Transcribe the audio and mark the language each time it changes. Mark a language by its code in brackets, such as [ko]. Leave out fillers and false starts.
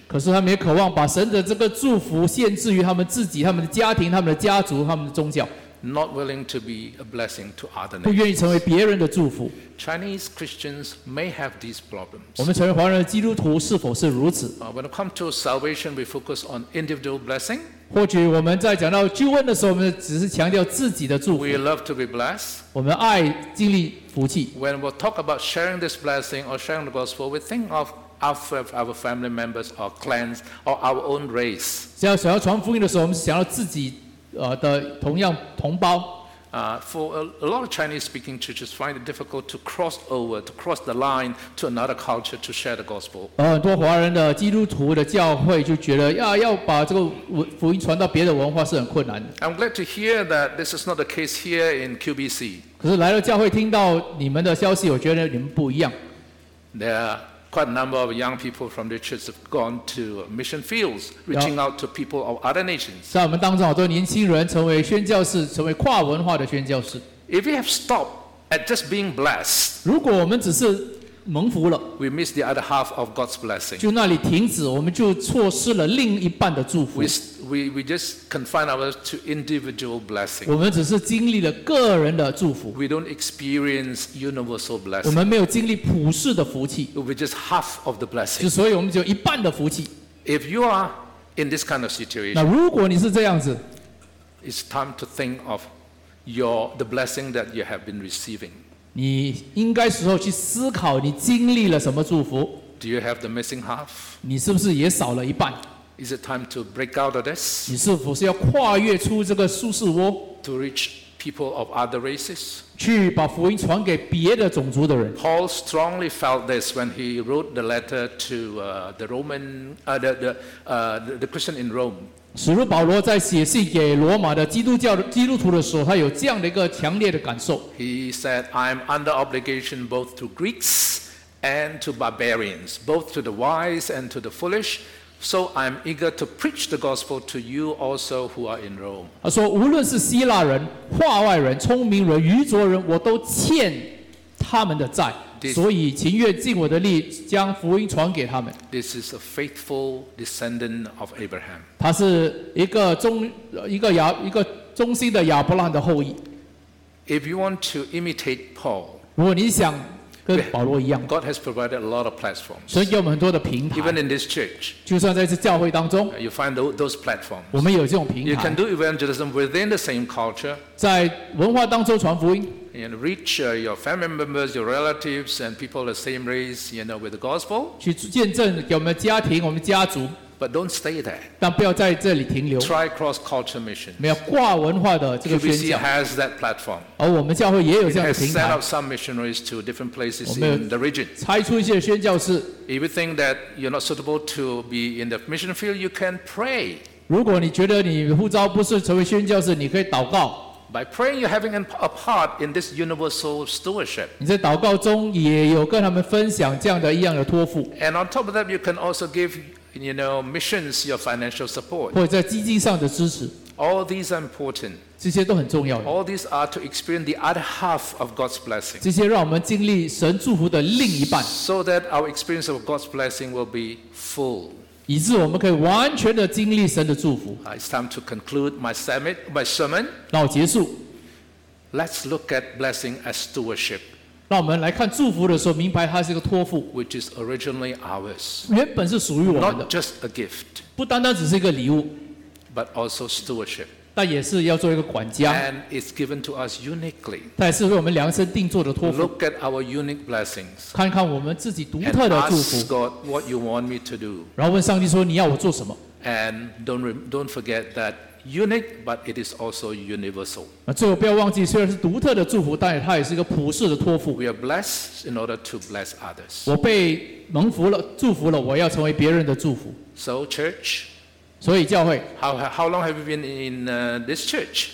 [zh] 可是他们也渴望把神的这个祝福限制于他们自己、他们的家庭、他们的家族、他们的宗教。 [en] Not willing to be a blessing to other nations. [zh] 不愿意成为别人的祝福。 [en] Chinese Christians may have these problems. [zh] 我们承认华人的基督徒是否是如此 [en] ？When it comes to salvation, we focus on individual blessing. [zh] 或许我们在讲到救恩的时候，我们只是强调自己的祝福。 [en] We love to be blessed. [zh] 我们爱经历福气。 [en] When we talk about sharing this blessing or sharing the gospel, we think of our family members or clans or our own race. [zh] 想要传福音的时候，我们想要自己。的同样同胞。 [en] For a lot of Chinese-speaking churches, find it difficult to cross over, to cross the line to another culture to share the gospel. [zh] 很多华人的基督徒的教会就觉得要把这个福音传到别的文化是很困难的。 [en] I'm glad to hear that this is not the case here in QBC. [zh] 可是来到教会听到你们的消息，我觉得你们不一样。 [en] There are quite a number of young people from the church have gone to mission fields, reaching out to people of other nations. [zh] 在我们当中，好多年轻人成为宣教士，成为跨文化的宣教士。 [en] If we have stopped at just being blessed, [zh] 如果我们只是蒙福了 [en] ，we miss the other half of God's blessing. [zh] 就那里停止，我们就错失了另一半的祝福。 [en] We just confine ourselves to individual blessing. [zh] 我们只是经历了个人的祝福。 [en] We don't experience universal blessing. [zh] 我们没有经历普世的福气。 [en] We just half of the blessing. [zh] 就所以我们只有一半的福气。 [en] If you are in this kind of situation, [zh] 那如果你是这样子 [en] ，it's time to think of the blessing that you have been receiving. [zh] 你应该时候去思考你经历了什么祝福 [en] Do you have the missing half? [zh] 你是不是也少了一半 [en] Is it time to break out of this? [zh] 你是否是要跨越出这个舒适窝 [en] To reach people of other races? [zh] 去把福音传给别的种族的人 [en] Paul strongly felt this when he wrote the letter to the Christian in Rome. [zh] 使徒保罗在写信给罗马的基督徒的时候，他有这样的一个强烈的感受。 [en] He said, "I'm under obligation both to Greeks and to barbarians, both to the wise and to the foolish. So I'm eager to preach the gospel to you also who are in Rome." [zh] 他说，无论是希腊人、化外人、聪明人、愚拙人，我都欠他们的债。所以情愿尽我的力将福音传给他们 [en] This is a faithful descendant of Abraham [zh] 他是一个忠心的亚伯拉罕的后裔 [en] If you want to imitate Paul [zh] 如果你想跟保罗一样, [en] God has provided a lot of platforms. [zh] 神给我们很多的平台, [en] even in this church, [zh] 就算在这教会当中, [en] you find those platforms. [zh] 我们有这种平台, [en] you can do evangelism within the same culture. [zh] 在文化当中传福音, [en] and reach your family members, your relatives, and people of the same race, you know, with the gospel. [zh] 去见证给我们家庭, 我们家族, [en] but don't stay there. [zh] 但不要在这里停留, [en] try cross-culture mission. [zh] 没有挂文化的这个宣讲, [en] QBC has that platform. [zh] 而我们教会也有这样的平台, [en] it has set up some missionaries to different places in the region. [zh] 拆出一些宣教士, [en] if you think that you're not suitable to be in the mission field, you can pray. [zh] 如果你觉得你呼召不是成为宣教士, 你可以祷告, [en] by praying, you're having a part in this universal stewardship. [zh] 你在祷告中也有跟他们分享这样的一样的托付, [en] and on top of that, you can also give, you know, missions, your financial support. [zh] 或者在基金上的支持, [en] all these are important. [zh] 这些都很重要的, [en] all these are to experience the other half of God's blessing. [zh] 这些让我们经历神祝福的另一半, [en] so that our experience of God's blessing will be full. [zh] 以致我们可以完全的经历神的祝福. [en] It's time to conclude my sermon. [zh] 让我结束. [en] Let's look at blessing as stewardship. [zh] 让我们来看祝福的时候, 明白它是一个托付, [en] which is originally ours, [zh] 原本是属于我们的, [en] not just a gift, [zh] 不单单只是一个礼物, [en] but also stewardship, [zh] 但也是要做一个管家, [en] and it's given to us uniquely, [zh] 但也是为我们量身定做的托付. [en] Look at our unique blessings, [zh] 看看我们自己独特的祝福, [en] and ask God what you want me to do, [zh] 然后问上帝说, 你要我做什么? [en] And don't forget that unique, but it is also universal. [zh] 最后不要忘记, 虽然是独特的祝福, 但它也是一个普世的托付. [en] We are blessed in order to bless others. [zh] 我被蒙福了, 祝福了, 我要成为别人的祝福. [en] So church, [zh] 所以教会, [en] how long have you been in this church?